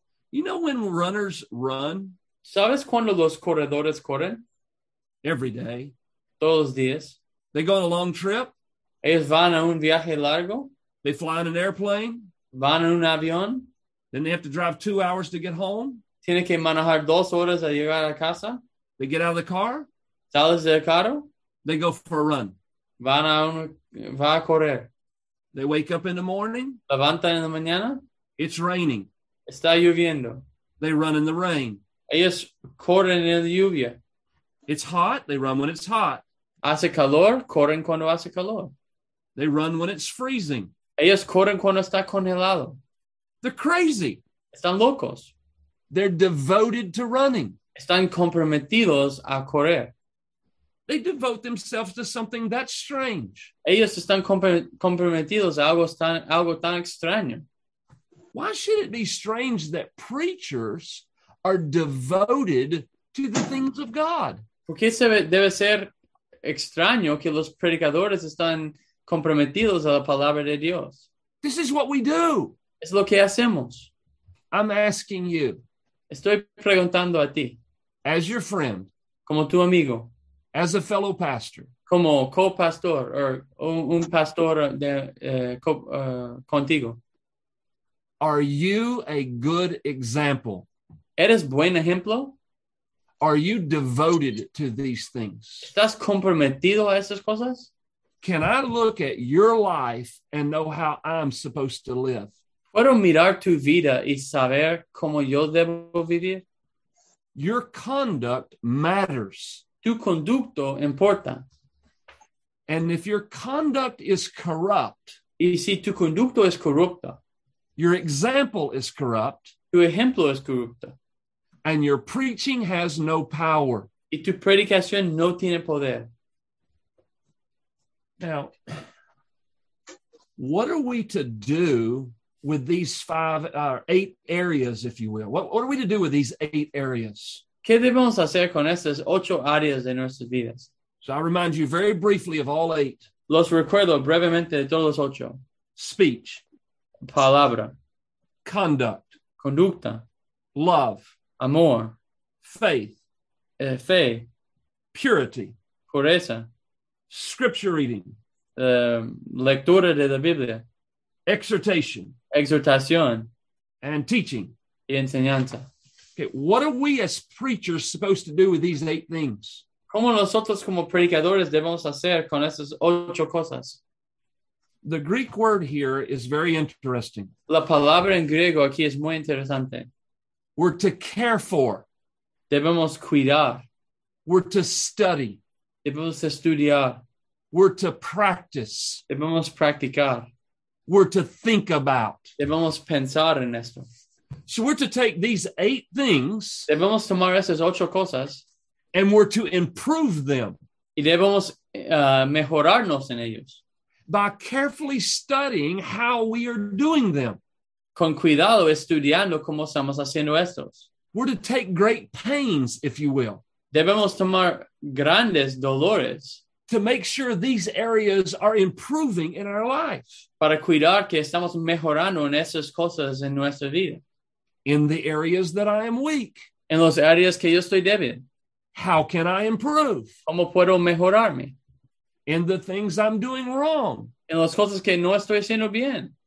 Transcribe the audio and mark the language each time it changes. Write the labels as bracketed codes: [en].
[en] You know when runners run? [es] ¿Sabes cuando los corredores corren? [en] Every day. [es] Todos los días. [en] They go on a long trip. [es] Ellos van a un viaje largo. [en] They fly in an airplane. [es] Van en un avión. [en] Then they have to drive 2 hours to get home. [es] Tienen que manejar 2 horas a llegar a casa. [en] They get out of the car. [es] Sales del carro. [en] They go for a run. [es] Va a correr. [en] They wake up in the morning. [es] Levantan en la mañana. [en] It's raining. [es] Está lloviendo. [en] They run in the rain. [es] Ellos corren en la lluvia. [en] It's hot. They run when it's hot. [es] Hace calor. Corren cuando hace calor. [en] They run when it's freezing. [es] Ellos corren cuando está congelado. [en] They're crazy. [es] Están locos. [en] They're devoted to running. [es] Están comprometidos a correr. [en] They devote themselves to something that strange. [es] Ellos están comprometidos a algo tan extraño. [en] Why should it be strange that preachers are devoted to the things of God? [es] ¿Por qué debe ser extraño que los predicadores están comprometidos a la palabra de Dios? [en] This is what we do. [es] Es lo que hacemos. [en] I'm asking you. [es] Estoy preguntando a ti. [en] As your friend. [es] Como tu amigo. [en] As a fellow pastor. [es] Como co-pastor or un pastor de, contigo. [en] Are you a good example? [es] ¿Eres buen ejemplo? [en] Are you devoted to these things? [es] ¿Estás comprometido a esas cosas? [en] Can I look at your life and know how I'm supposed to live? [es] ¿Puedo mirar tu vida y saber cómo yo debo vivir? [en] Your conduct matters. [es] Tu conducto importa. [en] And if your conduct is corrupt, [es] y si tu conducto es corrupta, [en] your example is corrupt, [es] tu ejemplo es corrupta, [en] and your preaching has no power, [es] y tu predicación no tiene poder. [en] Now, what are we to do with these eight areas, if you will? What are we to do with these eight areas? [es] ¿Qué debemos hacer con estas ocho áreas de nuestras vidas? [en] So I remind you very briefly of all eight. [es] Los recuerdo brevemente de todos los ocho. [en] Speech. [es] Palabra. [en] Conduct. [es] Conducta. [en] Love. [es] Amor. [en] Faith. [es] Fe. [en] Purity. [es] Pureza. [en] Scripture reading. [es] Lectura de la Biblia. [en] Exhortation. [es] Exhortación. [en] And teaching. [es] Y enseñanza. [en] Okay, what are we as preachers supposed to do with these eight things? [es] ¿Cómo nosotros como predicadores debemos hacer con esas ocho cosas? [en] The Greek word here is very interesting. [es] La palabra en griego aquí es muy interesante. [en] We're to care for. [es] Debemos cuidar. [en] We're to study. [es] Debemos estudiar. [en] We're to practice. [es] Debemos practicar. [en] We're to think about. [es] Debemos pensar en esto. [en] So we're to take these eight things. [es] Debemos tomar esas ocho cosas. [en] And we're to improve them. [es] Y debemos mejorarnos en ellos. [en] By carefully studying how we are doing them. [es] Con cuidado estudiando cómo estamos haciendo estos. [en] We're to take great pains, if you will. [es] Debemos tomar grandes dolores. [en] To make sure these areas are improving in our lives. [es] Para cuidar que estamos mejorando en esas cosas en nuestra vida. [en] In the areas that I am weak. [es] En las áreas que yo estoy débil. [en] How can I improve? [es] ¿Cómo puedo mejorarme? [en] In the things I'm doing wrong. [es] En las cosas que no estoy haciendo bien.